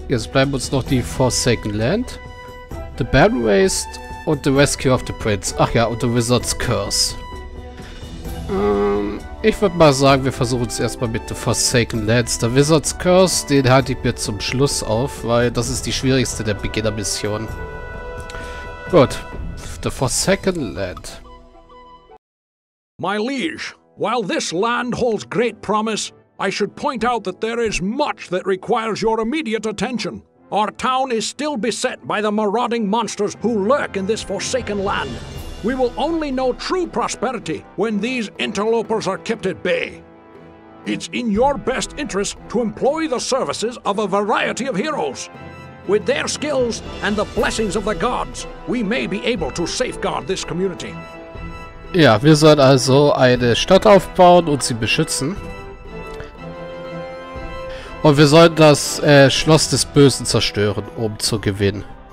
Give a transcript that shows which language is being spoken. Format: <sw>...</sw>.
<de>Jetzt bleiben uns noch die Forsaken Land, The Bell Waste und The Rescue of the Prince. Ach ja, und The Wizard's Curse. Ich würde mal sagen, wir versuchen es erstmal mit The Forsaken Lands. The Wizard's Curse, den halte ich mir zum Schluss auf, weil das ist die schwierigste der Beginner-Missionen. Gut, The Forsaken Land.</de> <en>My liege, while this land holds great promise, I should point out that there is much that requires your immediate attention. Our town is still beset by the marauding monsters who lurk in this forsaken land. We will only know true prosperity when these interlopers are kept at bay. It's in your best interest to employ the services of a variety of heroes. With their skills and the blessings of the gods, we may be able to safeguard this community.</en> <de>Ja, wir sollen also eine Stadt aufbauen und sie beschützen. Und wir sollen das Schloss des Bösen zerstören, um zu gewinnen.</de>